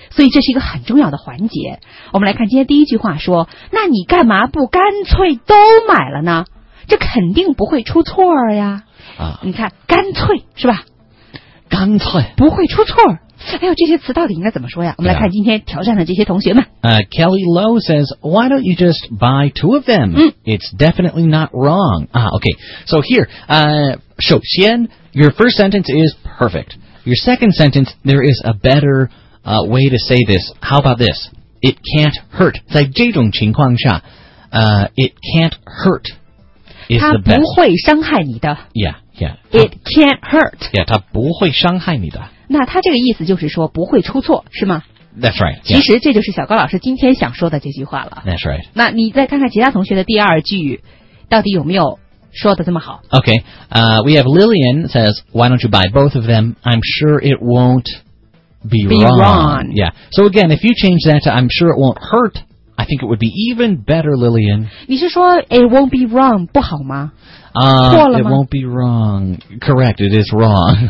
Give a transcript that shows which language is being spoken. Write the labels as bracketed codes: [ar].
[zh] 所以这是一个很重要的环节。我们来看今天第一句话说那你干嘛不干脆都买了呢这肯定不会出错呀。你看干脆是吧干脆。不会出错。哎呦这些词到底应该怎么说呀我们来看今天挑战的这些同学们。 [en] Kelly Lowe says, why don't you just buy two of them?、 [zh] 嗯、 [en] It's definitely not wrong. Okay. So here, [zh] 首先 [en] your first sentence is perfect. Your second sentence, there is a better, way to say this. How about this? It can't hurt. [zh] 在这种情况下 [en] it can't hurt is the best. [zh] 它不会伤害你的。 [en] Yeah, yeah. It can't hurt. [zh] Yeah, 它不会伤害你的。那他这个意思就是说不会出错是吗 [en] That's right、yeah. [zh] 其实这就是小高老师今天想说的这句话了 [en] That's right [zh] 那你再看看其他同学的第二句到底有没有说的这么好 [en] OK、we have Lillian says Why don't you buy both of them? I'm sure it won't be wrong Yeah So again if you change that to I'm sure it won't hurt I think it would be even better Lillian [zh] 你是说 [en] It won't be wrong [zh] 不好吗 [en] it won't be wrong. Correct, it is wrong.